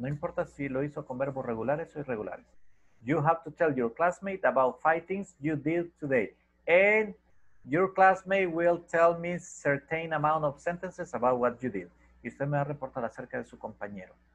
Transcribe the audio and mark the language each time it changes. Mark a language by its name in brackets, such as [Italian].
[Spanish] No importa si lo hizo con verbos regulares o irregulares. [English] You have to tell your classmate about five things you did today. And your classmate will tell me certain amount of sentences about what you did. [Spanish] Y usted me va a reportar acerca de su compañero.